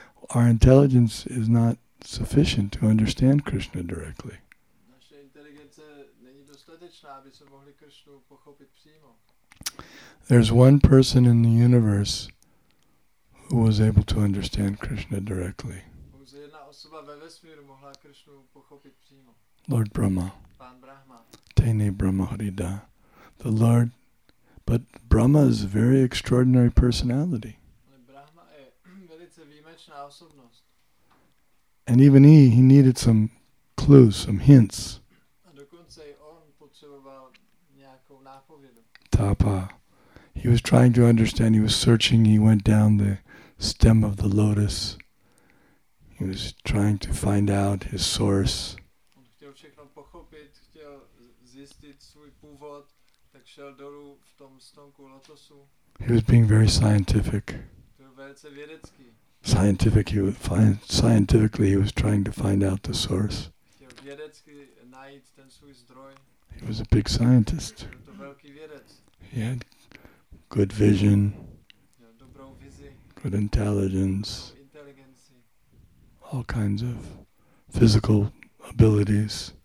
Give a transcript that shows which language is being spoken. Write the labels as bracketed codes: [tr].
[en] Our intelligence is not sufficient to understand Krishna directly. [cs] Naše inteligence není dostatečná, aby se mohli Krishnu pochopit přímo. [en] There's one person in the universe who was able to understand Krishna directly. [cs] Pouze jedna osoba ve vesmíru mohla Krishnu pochopit přímo. [en] Lord Brahma. [cs] Pán Brahma. [sa] Tene Brahma Harida. [en] The Lord, but Brahma is a very extraordinary personality. [cs] Brahma je velice výjimečná osobnost. [en] And even he needed some clues, some hints. [cs] A dokonce i on potřeboval nějakou nápovědu. [sa] Tapa. [en] He was trying to understand, he was searching, he went down the stem of the lotus. He was trying to find out his source. [cs] On chtěl všechno pochopit, chtěl zjistit svůj původ. Tak šel dolů v tom stonku lotosu. [en] He was being very scientific. [cs] Byl velice vědecký. [en] Scientific, scientifically he was trying to find out the source. [cs] Chtěl vědecky najít ten svůj zdroj. [en] He was a big scientist. [cs] Byl to velký vědec. [en] He had good vision. [cs] Měl dobrou vizi. [en] Good intelligence. [cs] Dobrou inteligenci. [en] All kinds of physical abilities.